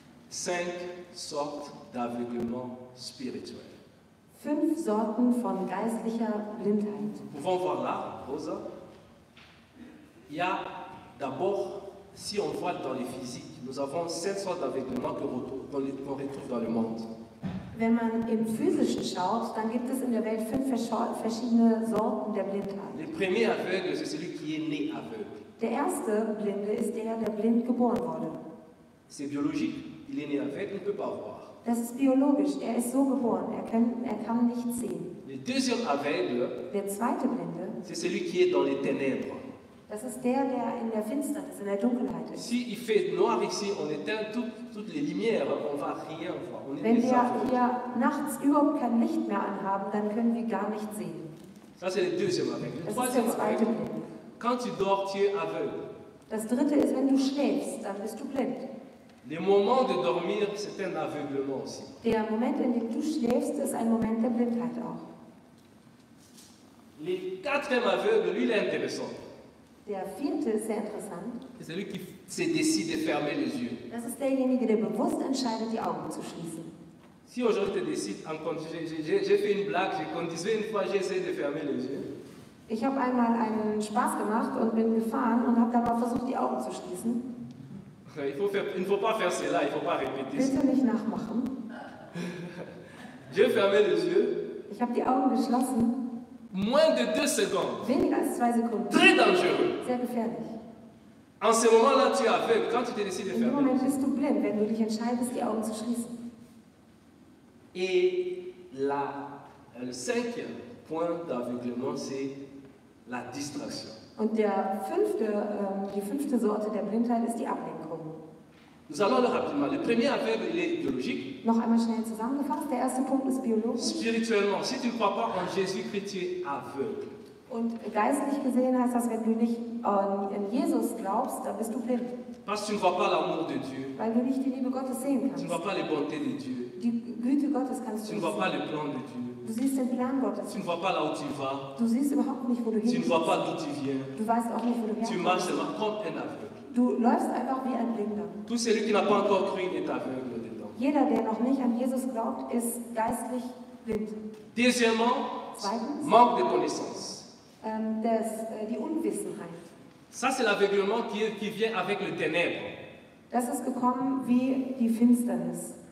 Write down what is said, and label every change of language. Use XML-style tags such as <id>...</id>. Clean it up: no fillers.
<fr>Cinq sortes d'aveuglement spirituel.</fr> <de>Fünf Sorten von geistlicher Blindheit.</de> <fr>Nous pouvons voir là, Rosa. Il y a d'abord, si on voit dans les physiques, nous avons sept sortes d'aveuglement qu'on retrouve dans le monde.</fr> <de>Wenn man im Physischen schaut, dann gibt es in der Welt 5 verschiedene Sorten der Blindheit.</de> <fr>Le premier aveugle, c'est celui qui est né aveugle.</fr> <de>Der erste Blinde ist der blind geboren wurde.</de> <fr>C'est biologique. Il est né aveugle, il ne peut pas voir.</fr> <de>Das ist biologisch. Er ist so geboren. Er kann nicht sehen.</de> <fr>Le deuxième aveugle,</fr> <de>der zweite Blinde,</de> <fr>c'est celui qui est dans les ténèbres.</fr> <de>Das ist der in der Finsternis, in der Dunkelheit ist.</de> <fr>Si il fait noir ici, on éteint toutes les lumières, on va rien voir. On est.</fr> <de>Wenn wir hier nachts überhaupt kein Licht mehr anhaben, dann können wir gar nicht sehen.</de> <fr>Ça c'est le deuxième aveugle.</fr> <de>Das ist der zweite Blinde.</de> <fr>Quand tu dors, tu es aveugle.</fr> <de>Das dritte ist, wenn du schläfst, dann bist du blind.</de> <fr>Le moment de dormir, c'est un aveuglement aussi.</fr> <de>Der Moment, in dem du schläfst, ist ein Moment der Blindheit auch.</de> <fr>Le quatrième aveugle, lui, il est intéressant.</fr> <de>Der vierte ist sehr interessant.</de> <fr>C'est celui qui se décide de fermer les yeux.</fr> <de>Das ist derjenige, der bewusst entscheidet, die Augen zu schließen.</de> <fr>Si aujourd'hui tu décides, j'ai fait une blague, j'ai conduit une fois, j'ai essayé de fermer les yeux.</fr> <de>Ich habe einmal einen Spaß gemacht und bin gefahren und habe dabei versucht, die Augen zu schließen. Bitte nicht nachmachen.</de> <fr>J'ai fermé les yeux.</fr> <de>Ich habe die Augen geschlossen.</de> <fr>Moins de 2 secondes.</fr> <de>Weniger als 2 Sekunden.</de> <fr>Très dangereux.</fr> <de>Sehr gefährlich.</de> <fr>En ce moment-là, tu es aveugle. Quand tu te décides de fermer.</fr> <de>In dem Moment bist du blind, wenn du dich entscheidest, die Augen zu schließen.</de> <fr>Et le cinquième point d'aveuglement, c'est la distraction.</fr> <de>Und die fünfte Sorte der Blindheit ist die Ablenkung.</de> <fr>Nous allons le rapidement. Le premier aveugle, il est biologique.</fr> <de>Noch einmal schnell zusammengefasst, der erste Punkt ist biologisch.</de> <fr>Spirituellement, si tu ne crois pas en Jésus-Christ, tu es aveugle.</fr> <de>Und geistlich gesehen heißt das, wenn du nicht an Jesus glaubst, dann bist du blind.</de> <fr>Parce que tu ne vois pas l'amour de Dieu.</fr> <de>Weil du nicht die Liebe Gottes sehen kannst.</de> <fr>Tu ne vois pas les bontés de Dieu.</fr> <de>Die Güte Gottes kannst du nicht sehen.</de> <fr>Tu ne vois pas le plan de Dieu.</fr> <de>Du siehst den Plan Gottes.</de> <fr>Tu ne vois pas là où tu vas.</fr> <de>Du siehst überhaupt nicht, wo du hingehst.</de> <fr>Tu ne vois pas d'où tu viens.</fr> <de>Du weißt auch nicht, wo du herkommst.</de> <fr>Tu marches seulement comme un aveugle.</fr> <de>Du läufst einfach wie ein Blinder.</de> <fr>Tout celui qui n'a pas encore cru est aveugle dedans.</fr> <de>Jeder, der noch nicht an Jesus glaubt, ist geistlich blind.</de> <fr>Deuxièmement,</fr> <de>zweitens,</de> <fr>manque de connaissance.</fr> <de>Die Unwissenheit.</de> <fr>Ça c'est l'aveuglement qui vient avec le ténèbre.</fr> <de>Das ist gekommen wie die Finsternis.</de>